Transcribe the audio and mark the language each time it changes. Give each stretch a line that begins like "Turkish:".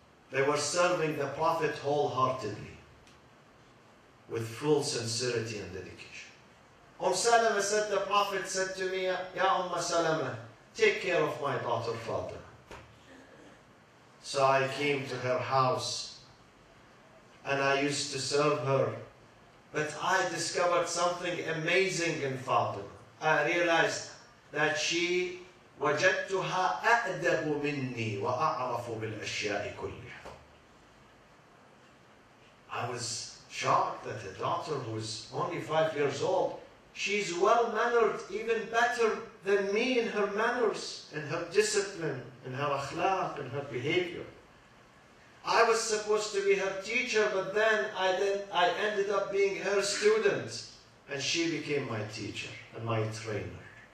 English: They were serving the Prophet wholeheartedly with full sincerity and dedication. Umm Salama said, the Prophet said to me, Ya Umm Salama, take care of my daughter Fatima. So I came to her house and I used to serve her. But I discovered something amazing in Fatima. I realized that she
Arabic: وَجَدْتُهَا أَأْدَبُ مِنِّي وَأَعْرَفُ بِالْأَشْيَاءِ كُلِّهَا.
English: I was shocked that a daughter who is only 5 years old, she's well-mannered, even better than me in her manners, in her discipline, in her akhlaq, in her behavior. I was supposed to be her teacher, but then I ended up being her student, and she became my teacher and my trainer.